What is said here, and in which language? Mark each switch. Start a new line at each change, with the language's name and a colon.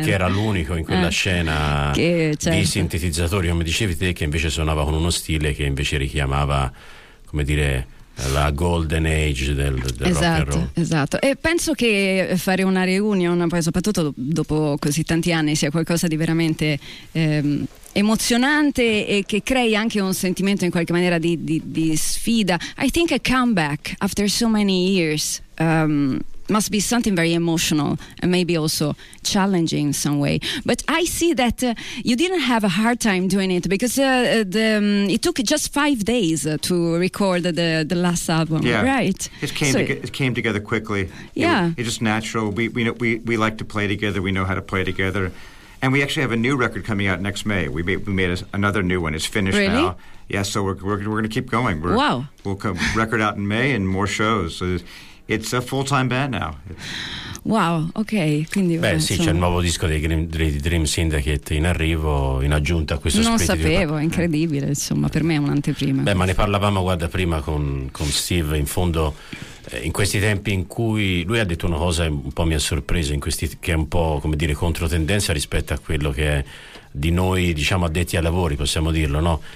Italian: Perché era l'unico in quella scena di sintetizzatori, come dicevi te, che invece suonava con uno stile che invece richiamava, come dire, la golden age del
English: rock and roll.
Italian: Esatto, e penso che fare una reunion, poi soprattutto dopo così tanti anni, sia qualcosa di veramente emozionante e che crei anche un sentimento in qualche maniera di sfida.
English: I think a comeback after so many years must be something very emotional and maybe also challenging in some way. But I see that you didn't have a hard time doing it because it took just 5 days to record the last album, right? It came together quickly. Yeah. It's just natural. We like to play together. We know how to play together. And we actually have a new record coming out next May. We made another new one. It's finished now. Yeah, so we're going to keep going. Wow. We'll come record out in May and more shows. So it's a full-time band now.
Italian: Wow, ok. Quindi, beh, sì, c'è il nuovo disco dei Dream Syndicate in arrivo, in aggiunta a questo. Non sapevo, è incredibile, insomma, per me è un'anteprima. Beh, ma ne parlavamo, guarda, prima con Steve, in fondo, in questi tempi in cui lui ha detto una cosa un po' mi ha sorpreso, in questi, che è un po', come dire, controtendenza rispetto a quello che è di noi, diciamo, addetti ai lavori, possiamo dirlo, no?